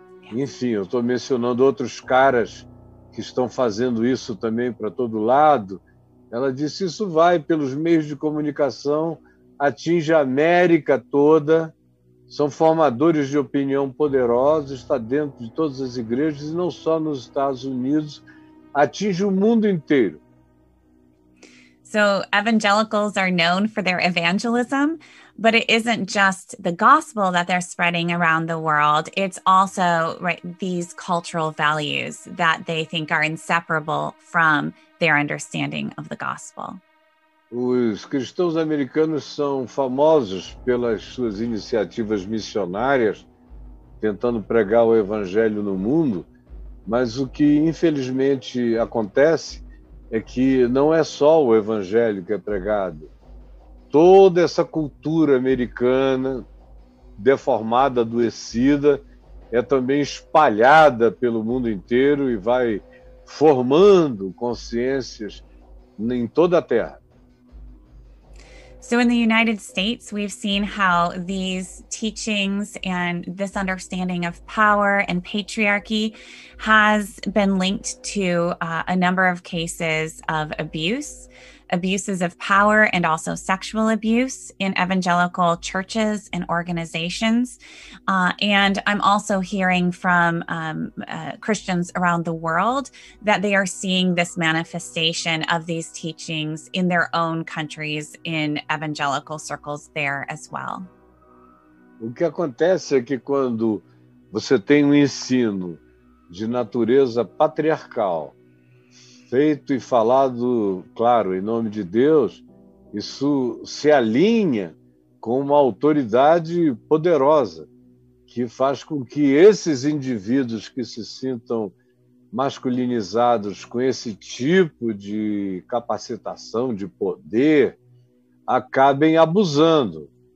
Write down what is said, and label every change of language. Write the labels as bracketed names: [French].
[Portuguese] Enfim, eu estou mencionando outros caras que estão fazendo isso também para todo lado. Ela disse, isso vai pelos meios de comunicação, atinge a América toda, são formadores de opinião poderosos, está dentro de todas as igrejas, e não só nos Estados Unidos, atinge o mundo inteiro. [English] So evangelicals are known for their evangelism, but it isn't just the gospel that they're spreading around the world. It's also these cultural values that they think are inseparable from their understanding of the gospel. [Portuguese] Os cristãos americanos são famosos pelas suas iniciativas missionárias, tentando pregar o evangelho no mundo, mas o que infelizmente acontece é que não é só o evangelho que é pregado. Toda essa cultura americana, deformada, adoecida, é também espalhada pelo mundo inteiro e vai formando consciências em toda a Terra. [English] So in the United States, we've seen how these teachings and this understanding of power and patriarchy has been linked to a number of cases of abuses of power and also sexual abuse in evangelical churches and organizations. And I'm also hearing from Christians around the world that they are seeing this manifestation of these teachings in their own countries, in evangelical circles there as well. [Portuguese] O que acontece é que quando você tem um ensino de natureza patriarcal, feito e falado, claro, em nome de Deus, isso se alinha com uma autoridade poderosa que faz com que esses indivíduos que se sintam masculinizados com esse tipo de capacitação, de poder, acabem abusando.